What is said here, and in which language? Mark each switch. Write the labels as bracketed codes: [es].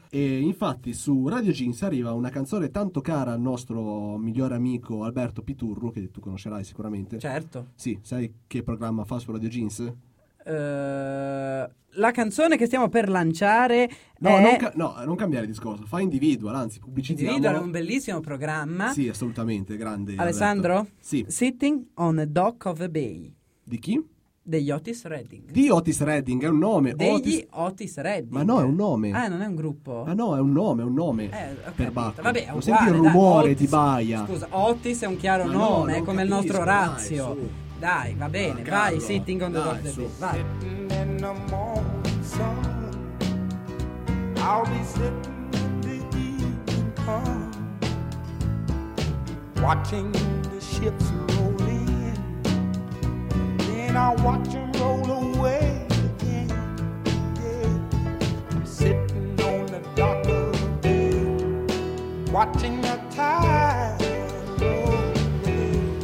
[it] E infatti su Radio Jeans arriva una canzone tanto cara al nostro migliore amico Alberto Piturru, che tu conoscerai sicuramente. Certo. Sì, sai che programma fa su Radio Jeans? La canzone che stiamo per lanciare non cambiare discorso, fa Individual, anzi pubblicizziamo. Individual è un bellissimo programma. Sì, assolutamente, grande. Alessandro? Alberto. Sì. Sitting on a Dock of a Bay. Di chi? Degli Otis Redding. Di Otis Redding, è un nome. Otis Redding. Ma no, è un nome. Ah, non è un gruppo? Ma no, è un nome per Bach. Vabbè, lo senti il rumore di Baia. Scusa, Otis è un chiaro nome, è come il nostro Razio. Dai, va bene, vai, Sitting on the Dock of the Bay. Vai. [en] Sitting in the morning sun, I'll be sitting in the evening sun, watching the ships roll in. I watch them roll away again. Yeah. I'm sitting on the dock of the bay, watching the tide roll away.